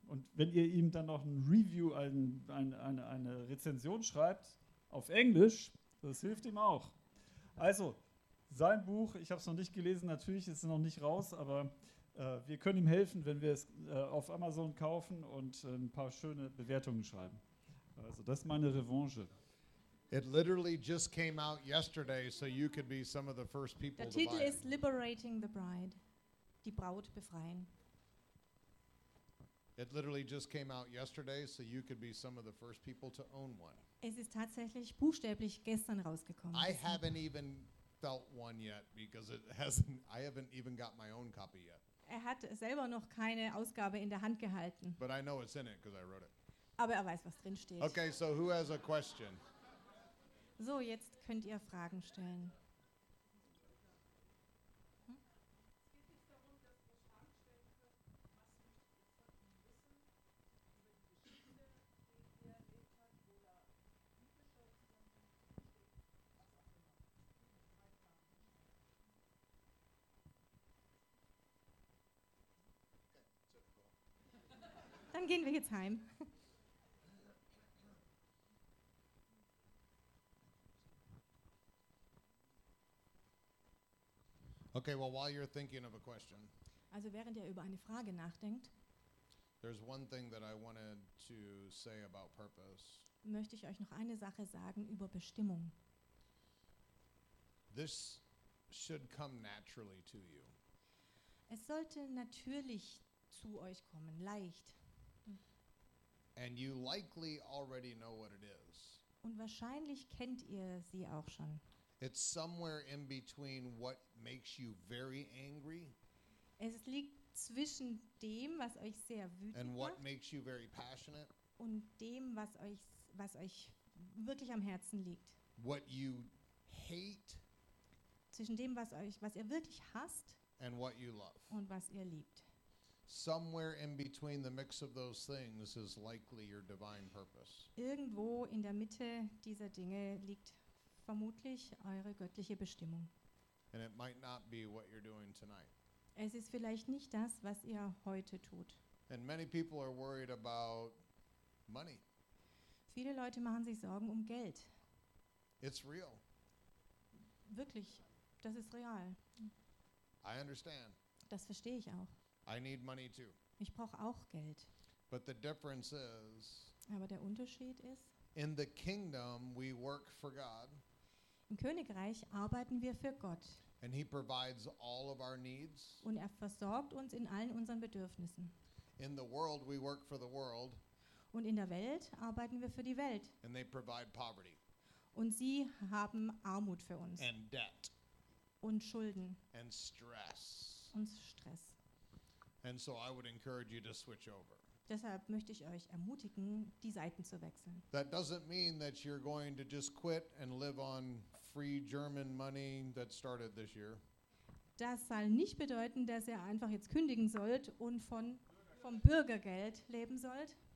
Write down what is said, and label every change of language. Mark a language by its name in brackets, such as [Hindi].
[German] Und wenn ihr ihm dann noch ein Review, eine Rezension schreibt auf Englisch, das hilft ihm auch. Also, sein Buch, ich habe es noch nicht gelesen, natürlich ist es noch nicht raus, aber wir können ihm helfen, wenn wir es auf Amazon kaufen und ein paar schöne Bewertungen schreiben. Also, das ist meine Revanche. [English] It literally just came out yesterday, so you could be some of the first people [German] der [English] to [German] Titel [English] buy [German] ist Liberating the Bride, die Braut befreien. [English] It literally just came out yesterday, so you could be some of the first people to own one. [German] Es ist tatsächlich buchstäblich gestern rausgekommen. [English] I haven't even felt one yet because it hasn't. I haven't even got my own copy yet. [German] Er hat selber noch keine Ausgabe in der Hand gehalten. [English] But I know it's in it because I wrote it. [German] Aber er weiß, was drin steht. [English] Okay, so who has a question? [German] So, jetzt könnt ihr Fragen stellen. Dann gehen wir jetzt heim. [English] Okay, well, while you're thinking of a question. [German] Also während er über eine Frage nachdenkt. [English] There's one thing that I wanted to say about purpose. [German] Möchte ich euch noch eine Sache sagen über Bestimmung. [English] This should come naturally to you. [German] Es sollte natürlich zu euch kommen, leicht. [English] And you likely already know what it is. [German] Und wahrscheinlich kennt ihr sie auch schon. [English] It's somewhere in between what makes you very angry. [German] Es liegt zwischen dem, was euch sehr wütend macht. [English] And what makes you very passionate. [German] Und dem, was euch wirklich am Herzen liegt. [English] What you hate. [German] Zwischen dem, was ihr wirklich hasst. [English] And what you love. [German] Und was ihr liebt. [English] Somewhere in between the mix of those things is likely your divine purpose. [German] Irgendwo in der Mitte dieser Dinge liegt vermutlich eure göttliche Bestimmung. [English] And it might not be what you're doing tonight. [German] Es ist vielleicht nicht das, was ihr heute tut. [English] And many people are worried about money. [German] Viele Leute machen sich Sorgen um Geld. [English] It's real. [German] Wirklich, das ist real. [English] I understand. [German] Das verstehe ich auch. [English] I need money too. [German] Ich brauche auch Geld. [English] But the difference is, [German] aber der Unterschied ist, [English] in the kingdom we work for God. [German] Im Königreich arbeiten wir für Gott. [English] And he provides all of our needs. [German] Und er versorgt uns in allen unseren Bedürfnissen. [English] In the world we work for the world. [German] Und in der Welt arbeiten wir für die Welt. [English] And they provide poverty. [German] Und sie haben Armut für uns. [English] And debt. [German] Und Schulden. [English] And stress. [German] Und Stress. [English] And so I would encourage you to switch over. [German] Deshalb möchte ich euch ermutigen, die Seiten zu wechseln. [English] That doesn't mean that you're going to just quit and live on free German money that started this year. [German] Das soll nicht bedeuten, dass ihr einfach jetzt kündigen sollt und vom Bürgergeld leben sollt.